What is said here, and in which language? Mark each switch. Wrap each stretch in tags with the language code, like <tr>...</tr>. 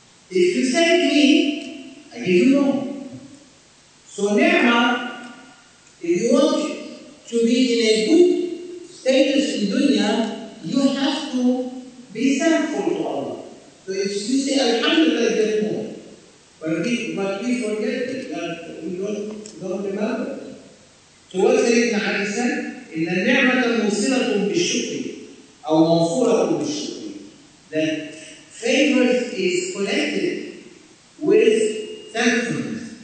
<en>If you thank me, I give you more. So ni'mah, if you want to be in a good status in dunya, you have to be thankful to Allah. So if you say alhamdulillah, get more. But we forget it, that we don't remember it. So what Sayyidina Ali said,</en> <ar>إِنَّ النِّعْمَةَ مُوصِلَةٌ بِالشُّكْرِ أَوْ مَنْصُورَةٌ بِالشُّكْرِ.</ar> <en>That favor is connected with thankfulness.</en>